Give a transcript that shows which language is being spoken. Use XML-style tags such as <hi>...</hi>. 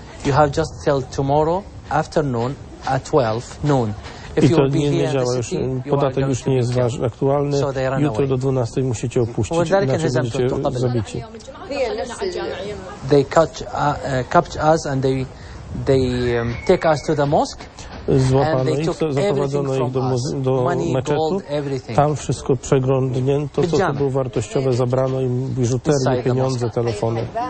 <en>You have just till tomorrow afternoon at 12 noon. If you will be here, the city,</en> <pl>podatek już nie jest ważny, aktualny.</pl> <en>So they ran away.</en> <pl>Jutro do 12 musicie opuścić, inaczej będziecie zabici.</pl> <en>They catch us and they take us to the mosque.</en> <pl>złapano ich, zaprowadzono ich do meczetu. Tam wszystko przegrądnięto, to co było wartościowe, zabrano im biżuterię, pieniądze, telefony.</pl>